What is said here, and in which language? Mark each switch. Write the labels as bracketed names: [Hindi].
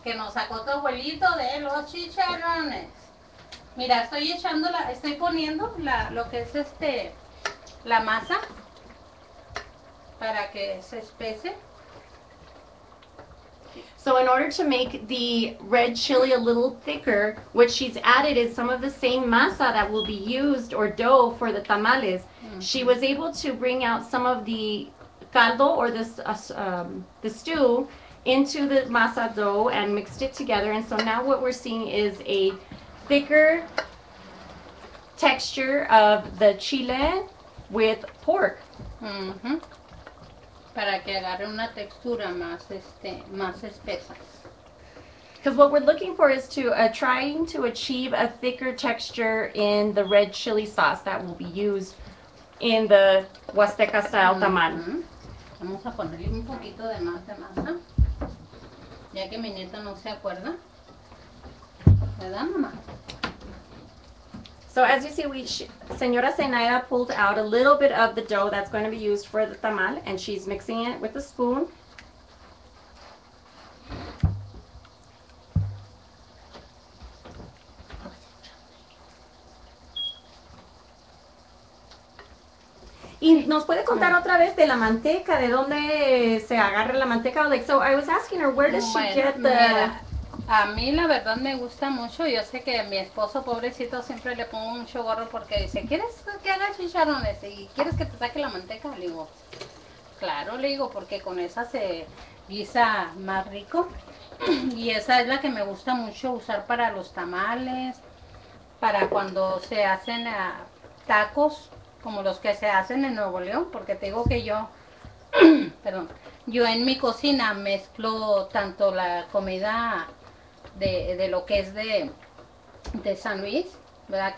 [Spanish] Que nos sacó tu abuelito de los chicharrones. Mira, estoy echando estoy poniendo la masa para que se espese. [English] So in order to make the red chili a little thicker, what she's added is some of the same masa that will be used, or dough, for the tamales. Mm-hmm. She was able to bring out some of the caldo, or this the stew, into the masa dough and mixed it together. And so now what we're seeing is a thicker texture of the chile with pork. Mm-hmm. [Spanish] Para que agarre una textura más, más espesa. [English] Because what we're looking for is to trying to achieve a thicker texture in the red chili sauce that will be used in the Huasteca style mm-hmm. tamal. [Spanish] Vamos a ponerle un poquito de más de masa, ya que mi nieta no se acuerda. ¿Verdad, mamá? [English] So as you see, Señora Zenaida pulled out a little bit of the dough that's going to be used for the tamal, and she's mixing it with a spoon. [Spanish] Y nos puede contar otra vez de la manteca, de dónde se agarra la manteca. [English] Like, so I was asking her, where does she get the... [Spanish] A mí la verdad me gusta mucho. Yo sé que a mi esposo pobrecito siempre le pongo mucho gorro porque dice, ¿quieres que haga chicharrones? ¿Y quieres que te saque la manteca? Le digo, claro, le digo, porque con esa se guisa más rico. Y esa es la que me gusta mucho usar para los tamales, para cuando se hacen tacos, como los que se hacen en Nuevo León, porque te digo que yo, perdón, yo en mi cocina mezclo tanto la comida de lo que es de San Luis, ¿verdad?